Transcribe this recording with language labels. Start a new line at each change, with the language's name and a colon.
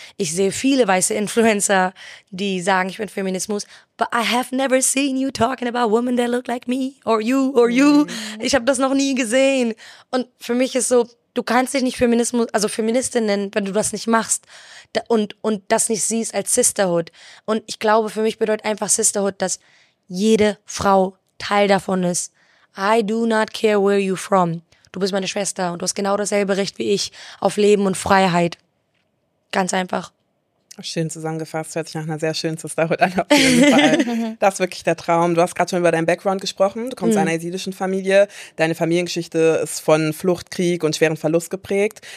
German: Ich sehe viele weiße Influencer, die sagen, ich bin Feminismus,
English: but I have never seen you talking about women that look like me or you or you.
German: Ich habe das noch nie gesehen. Und für mich ist so, du kannst dich nicht Feminismus, also Feministin nennen, wenn du das nicht machst und das nicht siehst als Sisterhood. Und ich glaube, für mich bedeutet einfach Sisterhood, dass jede Frau Teil davon ist.
English: I do not care where you from.
German: Du bist meine Schwester und du hast genau dasselbe Recht wie ich auf Leben und Freiheit. Ganz einfach. Schön zusammengefasst. Hört sich nach einer sehr schönen Sisterhood an, auf jeden Fall. Das ist wirklich der Traum. Du hast gerade schon über deinen Background gesprochen. Du kommst aus einer jesidischen Familie. Deine Familiengeschichte ist von Flucht, Krieg und schweren Verlust geprägt.